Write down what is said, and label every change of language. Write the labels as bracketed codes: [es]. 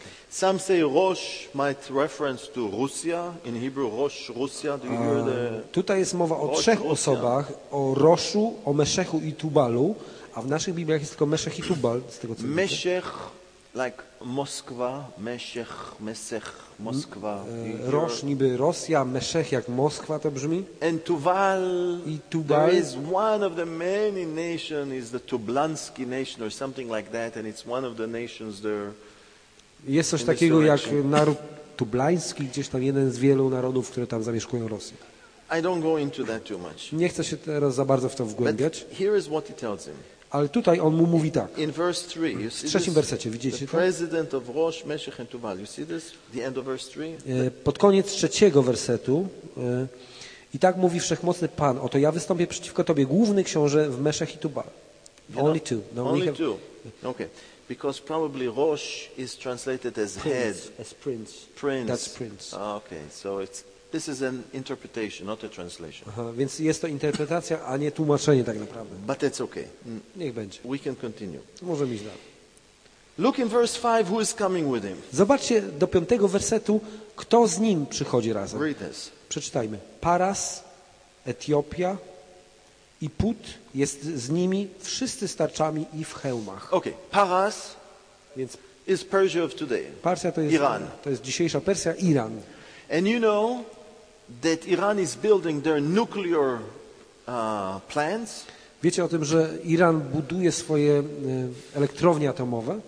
[en] Some say Rosh might reference to Russia in Hebrew. Rosh Russia. Do you hear the? [pl] Tutaj jest mowa o trzech osobach, o Roszu, o Meszechu i Tubalu, a w naszych Bibliach jest tylko Meszech i Tubal z tego co. [en] Meszech, like Moskwa, Meszech, Meszech, Moskwa. [pl] Rosz niby Rosja, Meszech jak Moskwa to brzmi. [en] And Tubal, [pl] i Tubal. [en] There is one of the many nations is the Tublanski nation or something like that, and it's one of the nations there. [pl] Jest coś takiego jak naród tublański, gdzieś tam jeden z wielu narodów, które tam zamieszkują Rosję. [en] I don't go into that too much. [pl] Nie chcę się teraz za bardzo w to wgłębiać. [en] But here is what he tells him. [pl] Ale tutaj on mu mówi tak. [en] In verse 3, you see [pl] w trzecim wersecie, widzicie to? [en] President of Rosh, Meshech and Tubal. You see this? The end of verse 3? [pl] Pod koniec trzeciego wersetu i tak mówi Wszechmocny Pan, oto ja wystąpię przeciwko Tobie, główny książę w Meshech i Tubal. [en] Only two. Okay. Because probably Rosh is translated as prince, head. As prince. Prince. That's prince. Okay, so this is an interpretation, not a translation. [pl] Aha, więc jest to interpretacja, a nie tłumaczenie tak naprawdę. [en] But it's okay. [pl] Niech będzie. [en] We can continue. [pl] Możemy iść dalej. [en] Look in verse 5, who is coming with him? [pl] Zobaczcie do piątego wersetu, kto z nim przychodzi razem. [en] Read this. [pl] Przeczytajmy. Paras, Etiopia i Put jest z nimi, wszyscy z tarczami i w hełmach. [en] Okay. Paras, więc is Persia of today. [pl] Persia to jest Iran. To jest dzisiejsza Persja, Iran. [en] And you know that Iran is building their nuclear plants. [pl] Wiecie o tym, że Iran buduje swoje elektrownie atomowe?